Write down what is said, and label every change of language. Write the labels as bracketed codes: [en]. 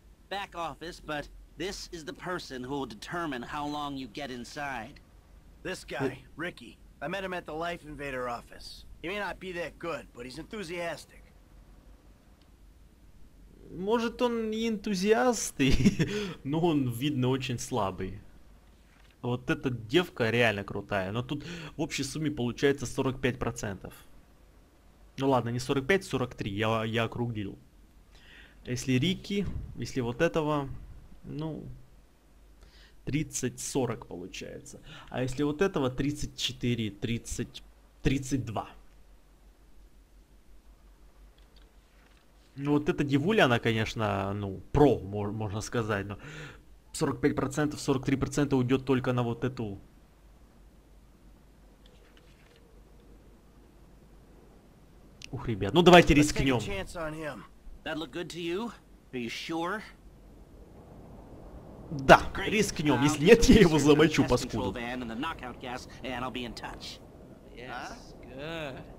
[en] Back office, but this is the person who will determine how long you get inside. This guy, Ricky. I met him at the Life Invader office. He may not be that good, but he's enthusiastic. [ru] Может, он не энтузиаст, но он, видно, очень слабый. Вот эта девка реально крутая, но тут в общей сумме получается 45%. Ну ладно, не 45, 43, я округлил. Если Рики, если вот этого, ну, 30-40 получается. А если вот этого, 34-30-32. Ну, вот эта девуля, она, конечно, ну, про, можно сказать, но 45%, 43% уйдет только на вот эту... Ух, ребят, ну давайте рискнем. [en] That look good to you? Are you sure? [ru] Да, рискнем. Если нет, я его замочу, паскуду. [en] Van and the knockout gas, and I'll be in touch. Yes, good.